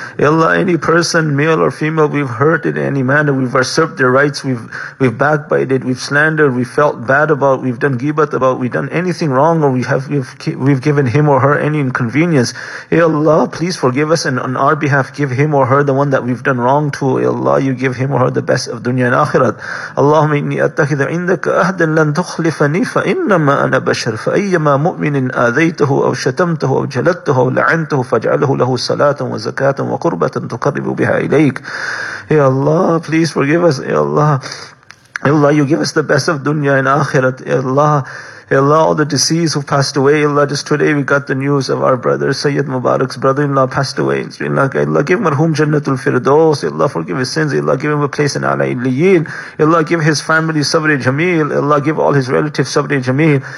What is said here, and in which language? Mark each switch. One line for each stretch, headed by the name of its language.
English: Ya Allah, any person, male or female, we've hurt in any manner, we've usurped their rights, we've backbited, we've slandered, we felt bad about, we've done ghibat about, we've done anything wrong, or we've given him or her any inconvenience. Ya Allah, please forgive us, and on our behalf, give him or her the one that we've done wrong to. Ya Allah, you give him or her the best of dunya and akhirat.
Arabic: Allahumma inni attakhidhu indaka ahdan lan tukhlifani fa in إنما أنا بشر فأيما مؤمن آذيته أو شتمته أو جلدته أو لعنته فاجعله له صلاة وزكاة وقربة تقرب بها إليك.
English: يا الله, please forgive us. يا الله, يا الله, you give us the best of dunya and akhirat. يا الله, ya Allah, all the deceased who passed away, ya Allah, just today we got the news of our brother, Sayyid Mubarak's brother-in-law passed away. Ya Allah, give marhum Jannatul Firdaus, ya Allah, forgive his sins, ya Allah, give him a place in Ala'illiyin, ya Allah, give his family Sabri Jameel, ya Allah, give all his relatives Sabri Jameel.